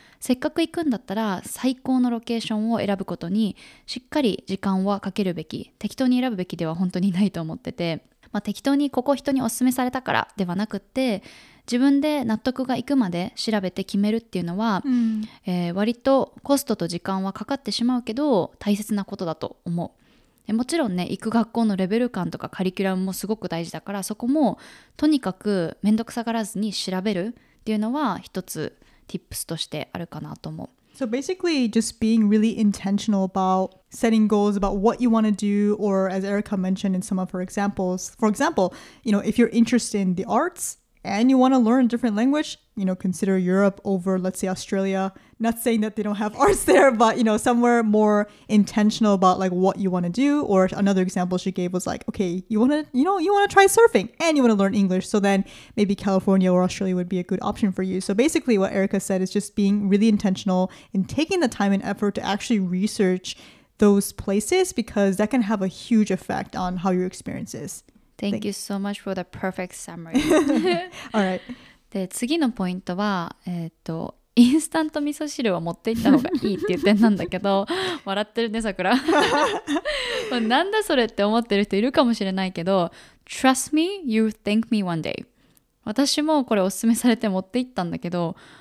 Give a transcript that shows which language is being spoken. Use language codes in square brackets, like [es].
[ja] せっかく行くんだったら最高のロケーションを選ぶことにしっかり時間はかけるべき、適当に選ぶべきでは本当にないと思ってて、まあ、適当にここ人にお勧めされたからではなくって、自分で納得がいくまで調べて決めるっていうのは、割とコストと時間はかかってしまうけど大切なことだと思う。もちろんね、行く学校のレベル感とかカリキュラムもすごく大事だから、そこもとにかく面倒くさがらずに調べるっていうのは一つティップスとしてあるかなと思う。 [en] So basically, just being really intentional about setting goals about what you want to do, or as Erika mentioned in some of her examples, for example, you know, if you're interested in the arts and you want to learn a different language, you know, consider Europe over, let's say, Australia. Not saying that they don't have arts there, but, you know, somewhere more intentional about like what you want to do. Or another example she gave was like, okay, you want to try surfing and you want to learn English. So then maybe California or Australia would be a good option for you. So basically what Erika said is just being really intentional and taking the time and effort to actually research those places, because that can have a huge effect on how your experience is. Thank you so much for the perfect summary. All right. [ja] で、次のポイントは、インスタント味噌汁を持っていった方がいいっていう点なんだけど、笑ってるね、さくら。なんだそれって思ってる人いるかもしれないけど、 [en] Trust me, you'll thank me one day. [ja] 私もこれおすすめされて持っていったんだけど、